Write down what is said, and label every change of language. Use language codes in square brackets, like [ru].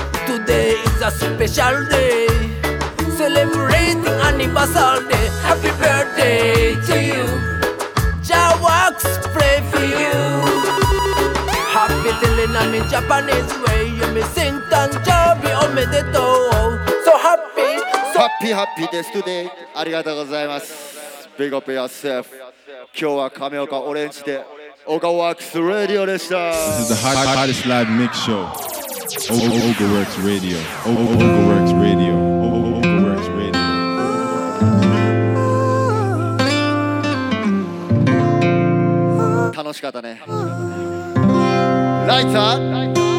[en] Today is a special day, celebrating anniversary day. Happy birthday to you. Jawaks play for you. Happy telling on me Japanese way. You may sing [ja] Tanjobi omedeto ハッピーハッピーです Today ありがとうございます。 [en] Big up yourself。 [ja] 今日は亀岡オレンジで OGAWORKS RADIO でした。 [en] This is the hottest live mix show. OGAWORKS RADIO. OGAWORKS RADIO. OGAWORKS RADIO. [ja] ooh, 楽しかったね。 [en] Lights up.